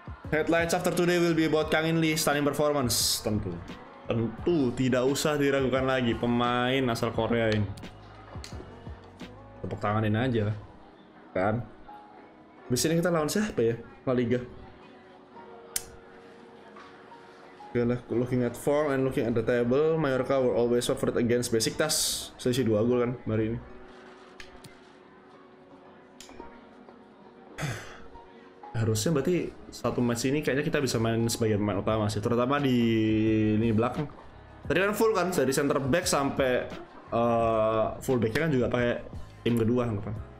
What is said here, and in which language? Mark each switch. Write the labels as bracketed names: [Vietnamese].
[English] Headlines after today will be about Kang In-Li stunning performance. [Indonesian] Tentu tidak usah diragukan lagi pemain asal Korea ini. Tepuk tanganin aja kan. Abis ini kita lawan siapa ya? La Liga. [English] Looking at form and looking at the table, Mallorca were always favored against Besiktas. [Indonesian] Selisih 2 gol kan hari ini. Harusnya berarti satu match ini kayaknya kita bisa main sebagai pemain utama sih, terutama di ini belakang. Tadi kan full kan, dari center back sampai full backnya kan juga pakai tim kedua kan.